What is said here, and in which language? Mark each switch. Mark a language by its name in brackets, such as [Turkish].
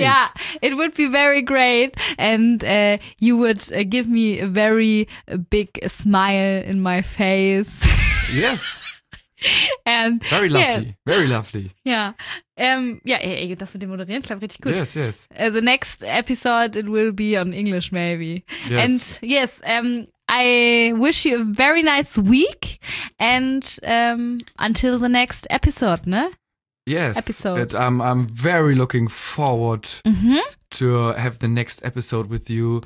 [English] Yeah, it would be very great, and you would give me a very big smile in my face. Yes. And very lovely. Yes. Very lovely. Yeah. Yeah, you [German] darfst du den moderieren, klappt richtig gut. [English] Yes. The next episode, it will be on English, maybe. Yes. And yes, I wish you a very nice week, and until the next episode, ne? Yes. Episode. And I'm very looking forward to have the next episode with you.